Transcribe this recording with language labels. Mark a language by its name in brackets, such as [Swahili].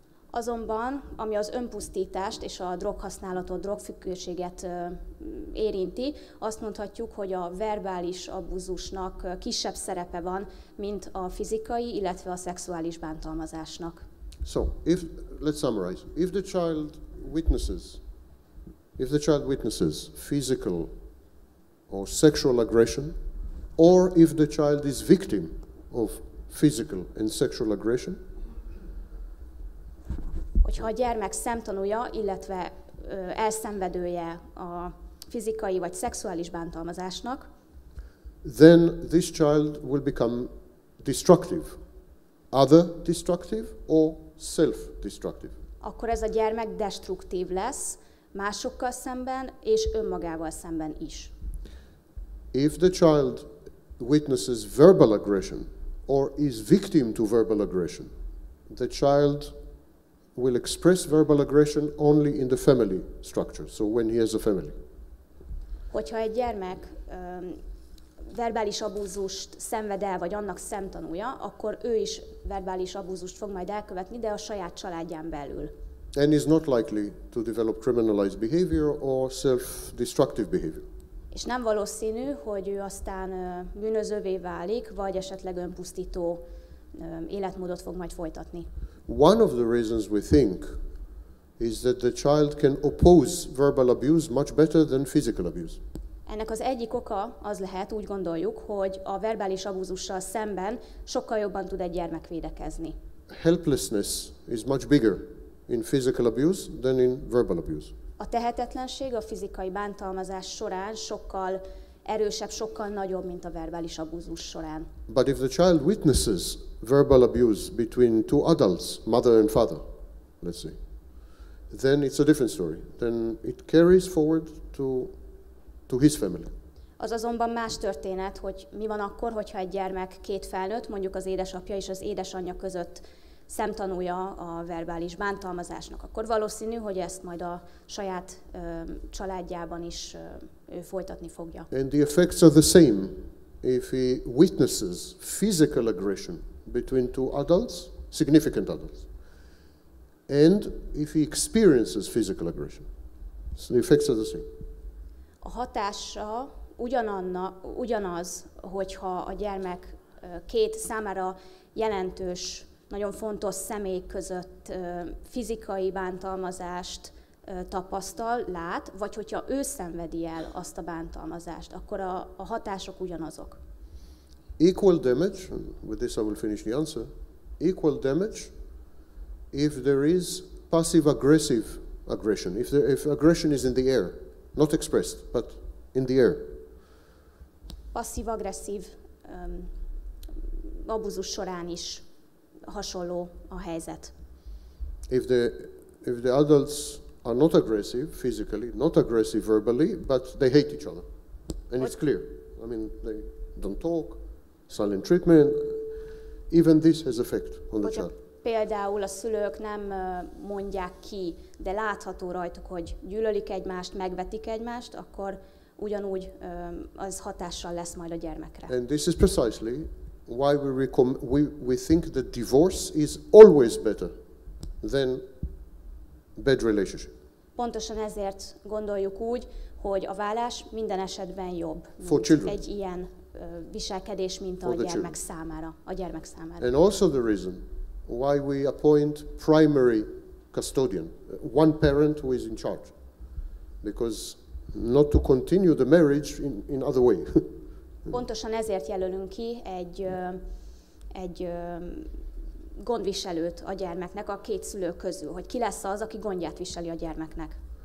[Hungarian] Azonban, ami az önpusztítást és a droghasználatot, drogfüggőséget érinti, azt mondhatjuk, hogy a verbális abúzusnak kisebb szerepe van, mint a fizikai, illetve a szexuális bántalmazásnak. [English] So, let's summarize. If the child witnesses physical or sexual aggression, or if the child is victim of physical and sexual aggression, [Hungarian] hogyha a gyermek szemtanúja, illetve elszenvedője a fizikai vagy szexuális bántalmazásnak, [English] then this child will become destructive, other destructive or self-destructive. [Hungarian] Akkor ez a gyermek destruktív lesz másokkal szemben és önmagával szemben is. [English] If the child witnesses verbal aggression or is victim to verbal aggression, the child will express verbal aggression only in the family structure, so when he has a family. [Hungarian] Hogyha egy gyermek verbális abúzust szenved el, vagy annak szemtanúja, akkor ő is verbális abúzust fog majd elkövetni, de a saját családján belül. [English] And is not likely to develop criminalized behavior or self-destructive behavior. [Hungarian] És nem valószínű, hogy ő aztán bűnözővé válik, vagy esetleg önpusztító életmódot fog majd folytatni. [English] One of the reasons we think is that the child can oppose verbal abuse much better than physical abuse. [Hungarian] Ennek az egyik oka az lehet, úgy gondoljuk, hogy a verbális abúzussal szemben sokkal jobban tud egy gyermek védekezni. [English] Helplessness is much bigger in physical abuse than in verbal abuse. [Hungarian] A tehetetlenség a fizikai bántalmazás során sokkal erősebb, sokkal nagyobb, mint a verbális abúzus során. [English] But if the child witnesses verbal abuse between two adults, mother and father, let's say, then it's a different story. Then it carries forward to his family. [Hungarian] Az azonban más történet, hogy mi van akkor, hogyha egy gyermek két felnőtt, mondjuk az édesapja és az édesanyja között szemtanúja a verbális bántalmazásnak, akkor valószínű, hogy ezt majd a saját családjában is ő folytatni fogja. [English] And the effects are the same if he witnesses physical aggression between two adults, significant adults, and if he experiences physical aggression. So the effects are the same. [Hungarian] A hatása ugyanaz, hogyha a gyermek két számára jelentős, nagyon fontos személy között fizikai bántalmazást tapasztal, lát, vagy hogyha ő szenvedi el azt a bántalmazást, akkor a hatások ugyanazok. [English] Equal damage, with this I will finish the answer, equal damage if there is passive-aggressive aggression, if aggression is in the air, not expressed, but in the air. [Hungarian] Passive-aggressive abuzus során is hasonló a helyzet. [English] If the adults are not aggressive physically, not aggressive verbally, but they hate each other. And it's clear. I mean, they don't talk, silent treatment, even this has effect on the child. [Hungarian] Például a szülők nem mondják ki, de látható rajtuk, hogy gyűlölik egymást, megvetik egymást, akkor ugyanúgy az hatással lesz majd a gyermekre. [English] And this is precisely why we think that divorce is always better than bad relationship. [Hungarian] Pontosan ezért gondoljuk úgy, hogy a válás minden esetben jobb. [English] For children. [Hungarian] Egy ilyen viselkedés, mint a gyermek számára. [English] And also the reason why we appoint primary custodian, one parent who is in charge. Because not to continue the marriage in other way. [Hungarian] Pontosan ezért jelölünk ki egy gondviselőt a gyermeknek a két szülő közül, hogy ki lesz az, aki gondját viseli a gyermeknek.